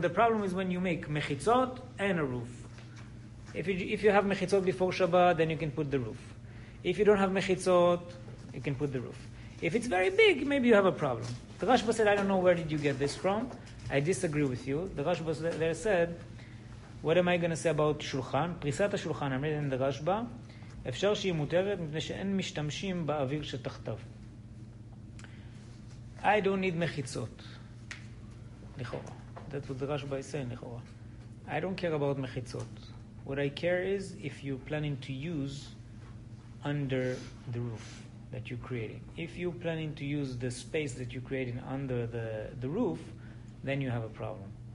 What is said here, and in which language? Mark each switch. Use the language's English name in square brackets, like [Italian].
[English] The problem is when you make mechitzot and a roof. If you have mechitzot before Shabbat, then you can put the roof. If you don't have mechitzot, you can put the roof. If it's very big, maybe you have a problem. The Rashba said, I don't know where did you get this from. I disagree with you. The Rashba there said, what am I going to say about Shulchan? Prisat HaShulchan, I'm reading the Rashba. [Hebrew] אפשר שהיא מותרת מפני שאין משתמשים באוויר שתחתיו. [English] I don't need מחיצות. לכאורה. That's what the Rashba is saying, לכאורה. I don't care about מחיצות. What I care is if you're planning to use under the roof that you're creating. If you're planning to use the space that you're creating under the roof, then you have a problem.